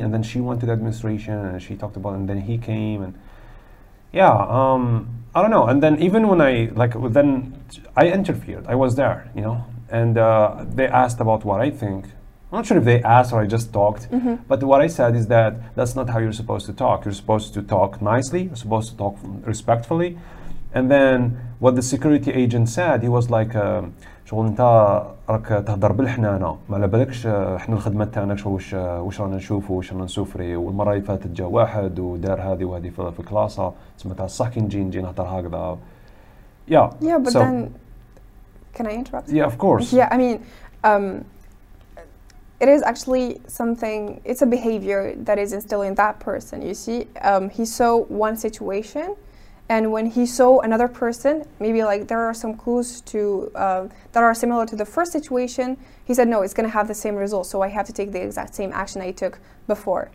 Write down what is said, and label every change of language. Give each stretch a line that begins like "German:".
English: And then she went to the administration, and she talked about it, and then he came, and I don't know. And then even when I interfered, I was there, you know, and they asked about what I think. I'm not sure if they asked or I just talked, but what I said is that that's not how you're supposed to talk. You're supposed to talk nicely, you're supposed to talk respectfully. And then what the security agent said, he was like,
Arabic: شغل انت راك تهضر بالحنانه ما على بالكش احنا الخدمه تاعنا واش رانا نشوفوا واش رانا نسوفري والمره اللي فاتت جا واحد ودار هذه وهذه في الكلاسه تسمى تاع الصح كي نجي نهضر هكذا.
English: Can I interrupt? Yeah, of course. Yeah, I mean, it is actually something, it's a behavior that is instilled in that person, you see. He saw one situation, and when he saw another person, maybe like there are some clues to that are similar to the first situation, he said, no, it's going to have the same result, so I have to take the exact same action I took before.